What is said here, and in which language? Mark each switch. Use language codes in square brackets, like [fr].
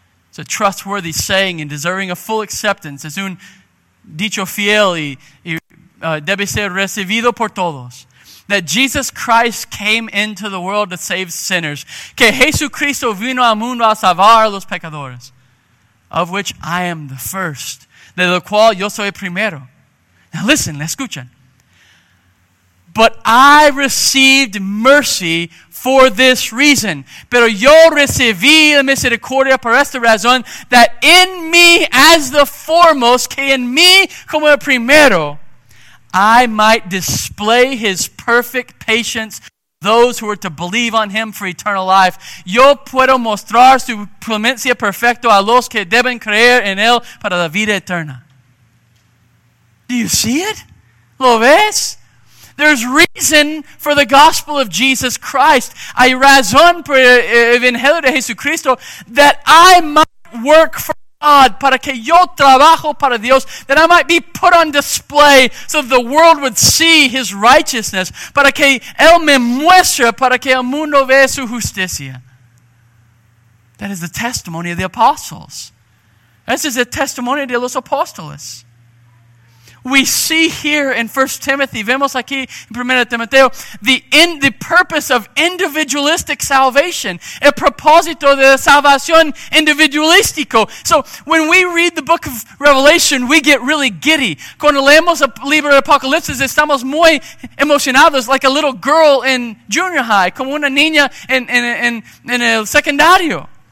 [en] It's a trustworthy saying and deserving of full acceptance. [es] Es un dicho fiel y debe ser recibido por todos. [en] That Jesus Christ came into the world to save sinners. [es] Que Jesucristo vino al mundo a salvar a los pecadores. [en] Of which I am the first. [es] De lo cual yo soy primero. [en] Now listen, [es] escuchen. [en] But I received mercy for this reason. [es] Pero yo recibí la misericordia por esta razón, [en] that in me as the foremost, [es] que en mí como el primero, [en] I might display his perfect patience to those who are to believe on him for eternal life. [es] Yo puedo mostrar su clemencia perfecta a los que deben creer en él para la vida eterna. [en] Do you see it? [es] ¿Lo ves? [en] There's reason for the gospel of Jesus Christ. [es] Hay razón por el evangelio de Jesucristo, [en] that I might work for God, [es] para que yo trabajo para Dios, [en] that I might be put on display so that the world would see his righteousness, [es] para que él me muestre, para que el mundo vea su justicia. [en] That is the testimony of the apostles. This is the testimony [es] de los apóstoles. [en] We see here in 1 Timothy, [es] vemos aquí en 1 Timoteo, [en] the purpose of individualistic salvation, [es] el propósito de la salvación individualístico. [en] So when we read the book of Revelation, we get really giddy. [es] Cuando leemos el libro de Apocalipsis, estamos muy emocionados, [en] like a little girl in junior high, [es] como una niña en el secundario.